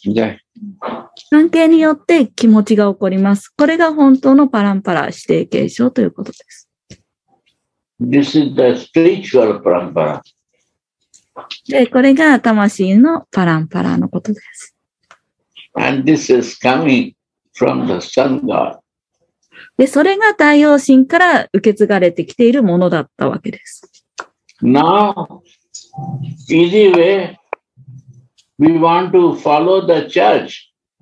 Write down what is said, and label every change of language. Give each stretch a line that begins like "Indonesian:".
Japanese: Yeah. 関係によって気持ちが起こります。これが本当のパランパラ、指定継承ということです。
English: This is the spiritual parampara.
Japanese: で、これが魂のパランパラのことです。
English: And this is coming from the sun god.
Japanese: で、それが太陽神から受け継がれてきているものだったわけです。
English: Now, easy way, we want to follow the church.